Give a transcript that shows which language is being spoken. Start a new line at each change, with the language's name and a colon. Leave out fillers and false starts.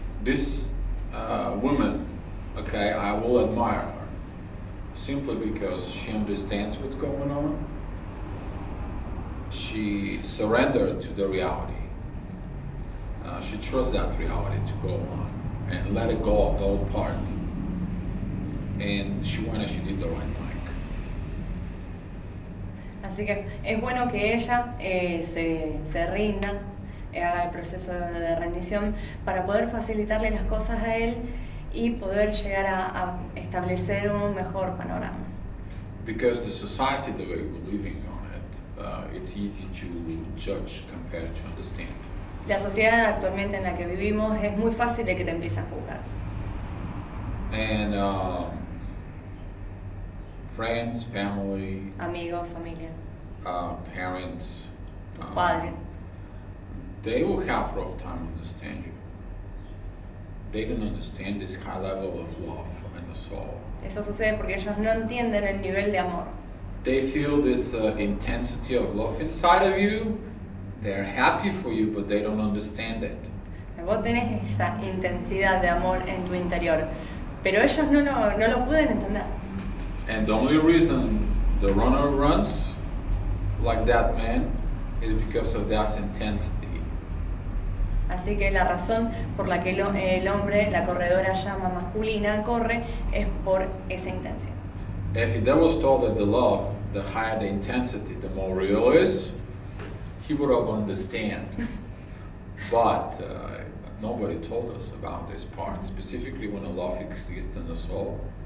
English: This woman, okay, I will admire her simply because she understands what's going on. She surrendered to the reality. She trusts that reality to go on and let it go of the old part. And she went and she did the right thing.
Spanish: Así que es bueno que ella se rinda, haga el proceso de rendición para poder facilitarle las cosas a él y poder llegar a establecer un mejor panorama.
English: Because the society that we're living on. It's easy to judge compared to understand.
Spanish: La sociedad actualmente en la que vivimos es muy fácil de que te empieces a juzgar.
English: And friends, family,
Spanish: amigos, familia,
English: parents,
Spanish: padres,
English: they will have rough time to understand you. They don't understand this high level of love in the soul.
Spanish: Eso sucede porque ellos no entienden el nivel de amor.
English: They feel this intensity of love inside of you. They're happy for you, but they don't understand it.
Spanish: Vos tenés esa intensidad de amor en tu interior, pero ellos no lo pueden entender.
English: And the only reason the runner runs like that man is because of that intensity.
Spanish: Así que la razón por la que el hombre, la corredora llama masculina, corre, es por esa intensidad.
English: If the devil told that the love, the higher the intensity, the more real is, he would have understood. But nobody told us about this part, specifically when a love exists in the soul.